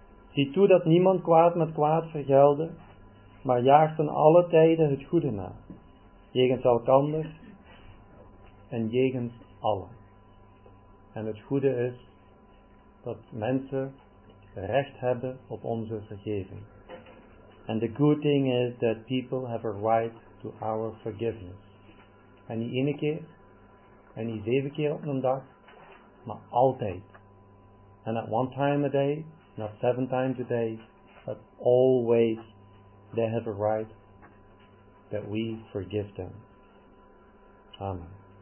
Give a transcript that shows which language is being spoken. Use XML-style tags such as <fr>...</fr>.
<nl>Zie toe dat niemand kwaad met kwaad vergelde, maar jaagt in alle tijden het goede na. Jegens elkander en jegens allen. En het goede is dat mensen recht hebben op onze vergeving.</nl> <en>And the good thing is that people have a right to our forgiveness.</en> <nl>En niet één keer, en niet zeven keer op een dag, maar altijd.</nl> <en>And at one time a day, not seven times a day, but always they have a right that we forgive them. Amen.</en>